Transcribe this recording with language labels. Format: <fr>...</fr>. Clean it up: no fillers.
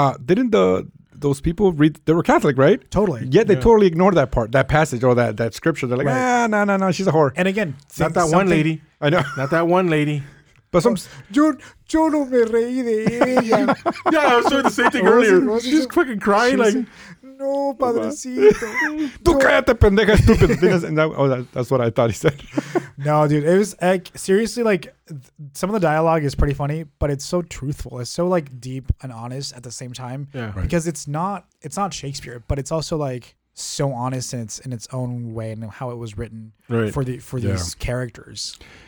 <en>Didn't those people read, they were Catholic, right? Totally. Yet they totally ignored that part, that passage or that scripture. They're like, no, she's a whore. And again, not that one lady. I know. Not that one lady. But some</en> <es>yo no me reí de ella.</es> <en>Yeah, I was doing the same thing earlier. She's fucking crying. She's like,</en> <es>no, padrecito. Tú cállate, pendeja, estúpido.</es> <en>That's what I thought he said. No, dude. It was like, seriously, like, some of the dialogue is pretty funny, but it's so truthful. It's so, like, deep and honest at the same time. Yeah. Right. Because it's not Shakespeare, but it's also, like, so honest in its own way and how it was written for these characters.</en>